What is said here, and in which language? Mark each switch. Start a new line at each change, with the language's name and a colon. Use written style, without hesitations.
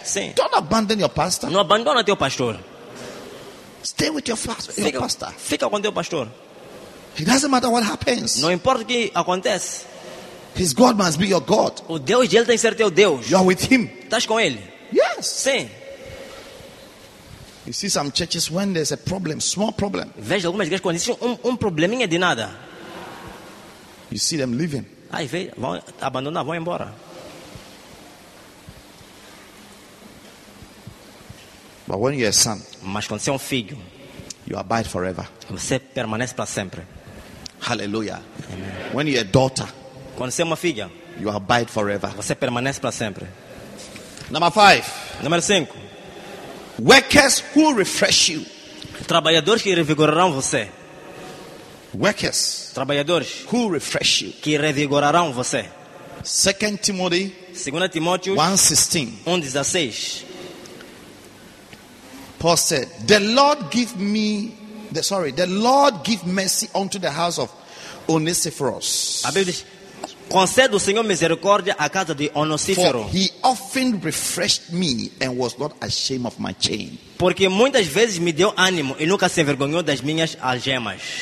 Portuguese: Sim.
English: Don't abandon your pastor.
Portuguese: Não abandona teu pastor.
English: Stay with your pastor.
Portuguese: Fica com teu pastor.
English: It doesn't matter what happens.
Portuguese: Não importa o que acontece.
English: His God must be your God.
Portuguese: O Deus dele tem que ser teu Deus.
English: You are with him.
Portuguese: Estás com ele.
English: Yes.
Portuguese: Sim.
English: You see some churches when there's a problem, small problem.
Portuguese: Veja algumas igrejas quando existe um probleminha de nada.
English: You see them leaving.
Portuguese: Aí vão abandonar, vão embora.
English: But when you are a son,
Portuguese: mas quando você é um filho,
English: you abide forever.
Portuguese: Você permanece para sempre.
English: Hallelujah. Amen. When you are a daughter,
Portuguese: quando você é uma filha,
English: you abide forever.
Portuguese: Você permanece para sempre.
English: Number 5.
Portuguese: Número 5.
English: Workers who refresh you.
Portuguese: Trabalhadores que revigorarão você.
English: Workers.
Portuguese: Trabalhadores
English: who refresh you.
Portuguese: Que revigorarão você.
English: 2 Timothy.
Portuguese: 2 Timóteo
English: 1:16.
Portuguese: 1:16.
English: Paul said, "The Lord give mercy unto the house of Onesiphorus."
Portuguese: A Bíblia diz, concede o Senhor misericórdia à casa de Onesíforo.
English: For he often refreshed me and was not ashamed of my chain.
Portuguese: Porque muitas vezes me deu ânimo e nunca se envergonhou das minhas algemas.